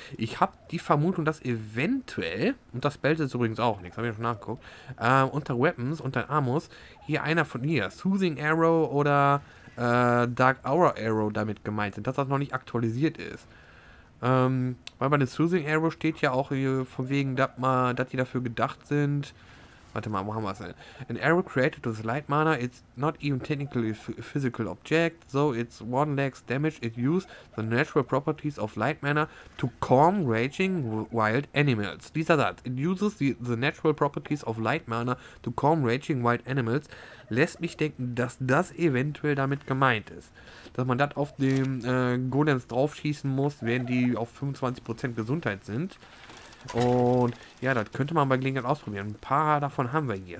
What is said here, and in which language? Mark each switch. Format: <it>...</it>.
<de>Ich habe die Vermutung, dass eventuell, und das Belt ist übrigens auch nichts, habe ich schon nachgeguckt, unter Weapons, unter Amos, hier einer von hier, Soothing Arrow oder Dark Aura Arrow damit gemeint sind, dass das noch nicht aktualisiert ist. Weil bei den Soothing Arrow steht ja auch hier von wegen, dass die dafür gedacht sind. Warte mal, wo haben wir es denn?</de> <en>An arrow created with light mana, it's not even technically a physical object, so it's one lex damage, it used the natural properties of light mana to calm raging wild animals.</en> <de>Dieser Satz.</de> <en>It uses the natural properties of light mana to calm raging wild animals.</en> <de>Lässt mich denken, dass das eventuell damit gemeint ist. Dass man das auf dem Golems draufschießen muss, während die auf 25% Gesundheit sind. Und ja, das könnte man bei Gelegenheit ausprobieren. Ein paar davon haben wir hier.</de>